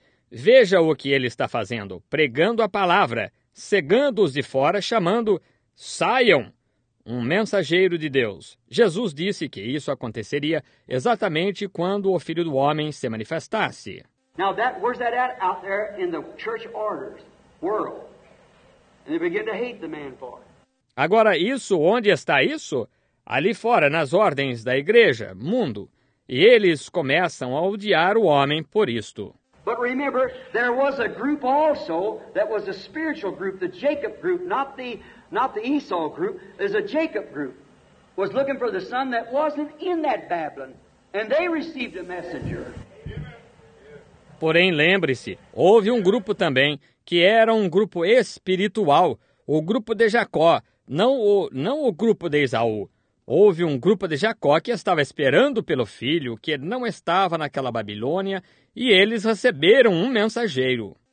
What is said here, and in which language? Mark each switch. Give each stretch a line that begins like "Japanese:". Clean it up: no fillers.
Portuguese: Veja o que ele está fazendo, pregando a palavra, cegando-os de fora, chamando, saiam, um mensageiro de Deus. Jesus disse que isso aconteceria exatamente quando o Filho do Homem se manifestasse.
English: Now, where's that at out there in the church orders, world? And they begin to hate the man for it.
Portuguese: Agora, isso, onde está isso? Ali fora, nas ordens da igreja, mundo. E eles começam a odiar o homem por isto.
English: But remember, there was a group also that was a spiritual group, the Jacob group, not the Esau group. There's a Jacob group was looking for the son that wasn't in that Babylon, and they received a messenger.
Portuguese: Porém, lembre-se, houve um grupo também que era um grupo espiritual, o grupo de Jacó, não o grupo de Esaú. Houve um grupo de Jacó que estava esperando pelo filho, que não estava naquela Babilônia, e eles receberam um mensageiro.